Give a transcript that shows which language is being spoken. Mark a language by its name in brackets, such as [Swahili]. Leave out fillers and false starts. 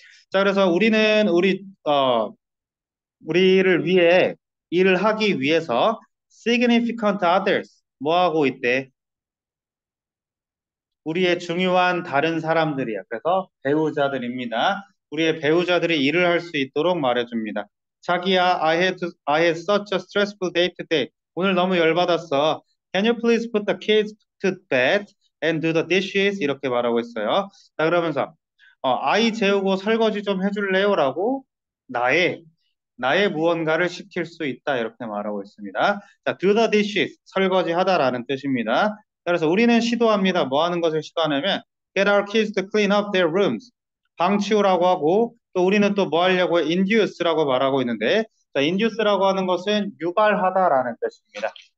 [Korean] 자, 그래서 우리는 우리를 위해 일을 하기 위해서 significant others 뭐 하고 있대? 우리의 중요한 다른 사람들이야. 그래서 배우자들입니다. 우리의 배우자들이 일을 할수 있도록 말해줍니다. [English] 자기야, I had such a stressful day today. [Korean] 오늘 너무 열받았어. [English] Can you please put the kids to bed and do the dishes? [Korean] 이렇게 말하고 있어요. 자, 그러면서 아이 재우고 설거지 좀 해줄래요? 라고 나의 무언가를 시킬 수 있다 이렇게 말하고 있습니다. 자, [English] do the dishes [Korean] 설거지하다라는 뜻입니다. 그래서 우리는 시도합니다. 뭐 하는 것을 시도하냐면 [English] get our kids to clean up their rooms [Korean] 방 치우라고 하고 또 우리는 또뭐 하려고 induce라고 말하고 있는데 자, induce라고 하는 것은 유발하다라는 뜻입니다.